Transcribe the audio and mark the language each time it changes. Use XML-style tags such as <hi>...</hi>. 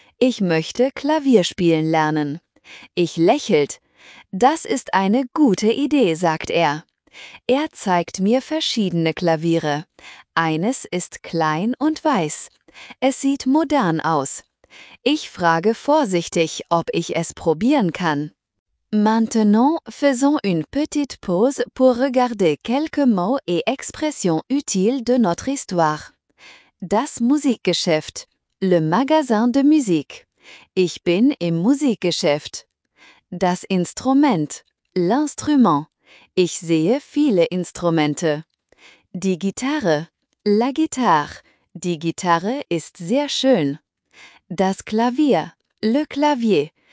<de>Ich möchte Klavier spielen lernen. Ich lächelt. Das ist eine gute Idee, sagt er. Er zeigt mir verschiedene Klaviere. Eines ist klein und weiß. Es sieht modern aus. Ich frage vorsichtig, ob ich es probieren kann.</de> <fr>Maintenant, faisons une petite pause pour regarder quelques mots et expressions utiles de notre histoire.</fr> <de>Das Musikgeschäft.</de> <fr>Le magasin de musique.</fr> <de>Ich bin im Musikgeschäft. Das Instrument.</de> <fr>L'instrument.</fr> <de>Ich sehe viele Instrumente. Die Gitarre.</de> <fr>La guitare.</fr> <de>Die Gitarre ist sehr schön. Das Klavier.</de> <fr>Le clavier.</fr>